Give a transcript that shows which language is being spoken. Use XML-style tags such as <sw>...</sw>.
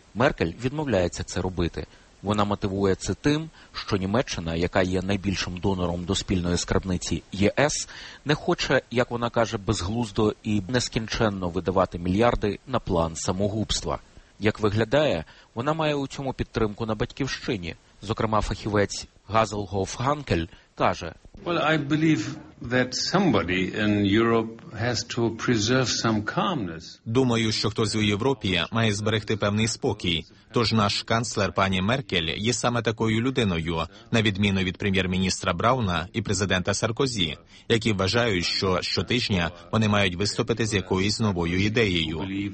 <uk>Меркель відмовляється це робити. Вона мотивує це тим, що Німеччина, яка є найбільшим донором до спільної скарбниці ЄС, не хоче, як вона каже, безглуздо і нескінченно видавати мільярди на план самогубства. Як виглядає, вона має у цьому підтримку на батьківщині. Зокрема, фахівець Газлгоф Ханкель каже:</uk> <en>"Well, I believe that somebody in Europe has to preserve some calmness."</en> <uk>Думаю, що хтось у Європі має зберегти певний спокій. Тож наш канцлер пані Меркель є саме такою людиною, на відміну від прем'єр-міністра Брауна і президента Саркозі, які вважають, що щотижня вони мають виступити з якоюсь новою ідеєю.</uk>